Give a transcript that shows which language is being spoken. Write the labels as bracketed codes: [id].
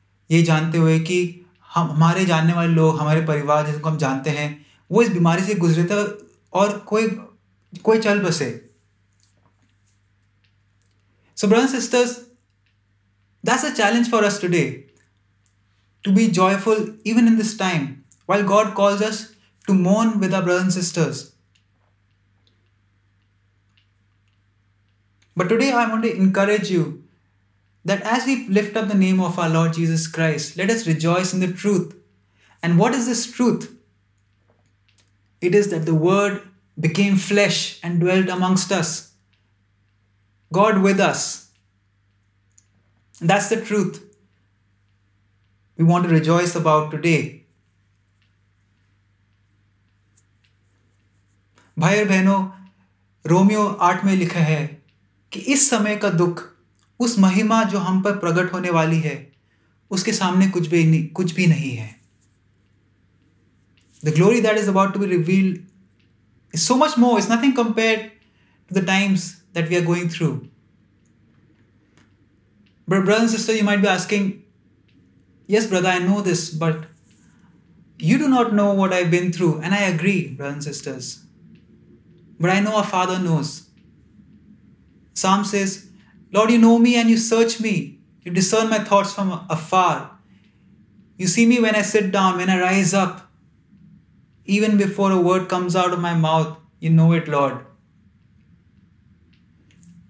[hi] ये जानते हुए कि हम हमारे जानने वाले लोग हमारे परिवार जिनको हम जानते हैं वो इस बीमारी से गुजरे थे और कोई चल बसे. [en] So brothers sisters that's a challenge for us today to be joyful even in this time while God calls us to mourn with our brothers sisters. But today I want to encourage you that as we lift up the name of our Lord Jesus Christ, let us rejoice in the truth. And what is this truth? It is that the Word became flesh and dwelt amongst us. God with us. That's the truth we want to rejoice about today. [hi] Bhai aur bheno, Romeo 8 mein likha hai ki is samay ka dukh उस महिमा जो हम पर प्रकट होने वाली है उसके सामने कुछ भी नहीं है. [en] The glory that is about to be revealed is so much more, is nothing compared to the times that we are going through. But brother and sister you might be asking, yes brother I know this, but you do not know what I been through. And I agree brother and sisters, but I know our father knows. Psalm says, Lord, you know me and you search me. You discern my thoughts from afar. You see me when I sit down, when I rise up. Even before a word comes out of my mouth, you know it, Lord.